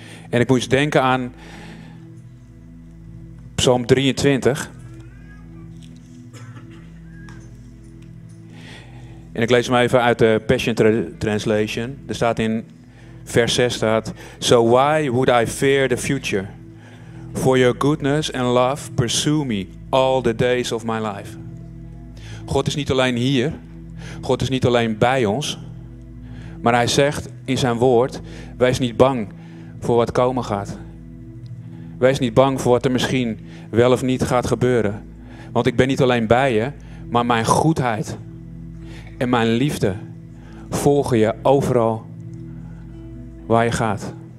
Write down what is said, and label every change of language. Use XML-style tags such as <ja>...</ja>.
<nl>En ik moest denken aan Psalm 23... En ik lees hem even uit de Passion Translation. Er staat in vers 6 staat,</nl> <en>so why would I fear the future? For your goodness and love pursue me all the days of my life.</en> <nl>God is niet alleen hier. God is niet alleen bij ons. Maar hij zegt in zijn woord, wees niet bang voor wat komen gaat. Wees niet bang voor wat er misschien wel of niet gaat gebeuren. Want ik ben niet alleen bij je, maar mijn goedheid en mijn liefde volgen je overal waar je gaat.</nl>